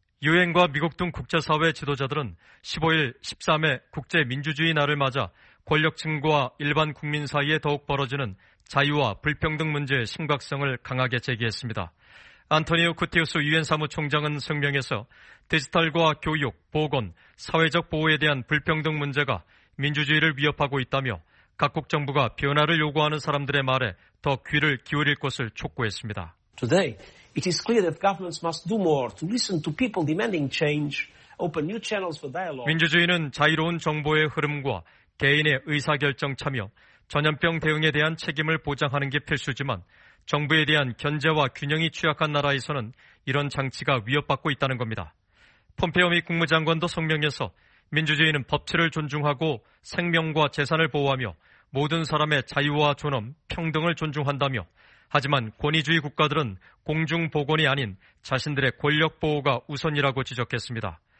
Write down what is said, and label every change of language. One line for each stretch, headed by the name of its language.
Korean: 유엔과 미국 등 국제사회 지도자들은 15일 13회 국제민주주의 날을 맞아 권력층과 일반 국민 사이에 더욱 벌어지는 자유와 불평등 문제의 심각성을 강하게 제기했습니다. 안토니오 쿠티우스 유엔 사무총장은 성명에서 디지털과 교육, 보건, 사회적 보호에 대한 불평등 문제가 민주주의를 위협하고 있다며 각국 정부가 변화를 요구하는 사람들의 말에 더 귀를 기울일 것을 촉구했습니다.
English: Today, it is clear that governments must do more to listen to people demanding change, open new channels for dialogue.
Korean: 민주주의는 자유로운 정보의 흐름과 개인의 의사결정 참여, 전염병 대응에 대한 책임을 보장하는 게 필수지만 정부에 대한 견제와 균형이 취약한 나라에서는 이런 장치가 위협받고 있다는 겁니다. 폼페이오 미 국무장관도 성명에서 민주주의는 법치를 존중하고 생명과 재산을 보호하며 모든 사람의 자유와 존엄, 평등을 존중한다며 하지만 권위주의 국가들은 공중보건이 아닌 자신들의 권력 보호가 우선이라고 지적했습니다.